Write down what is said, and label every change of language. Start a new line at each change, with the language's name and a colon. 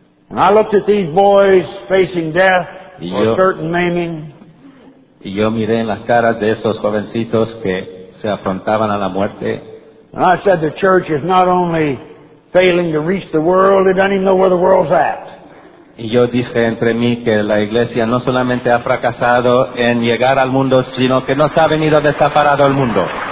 English: And I looked at these boys facing death or certain maiming.
Spanish: Y yo miré en las caras de esos jovencitos que se afrontaban a la muerte.
English: And I said the church is not only failing to reach the world, it doesn't even know where the world's at.
Spanish: Y yo dije entre mí que la iglesia no solamente ha fracasado en llegar al mundo, sino que no sabe ni dónde está parado el mundo.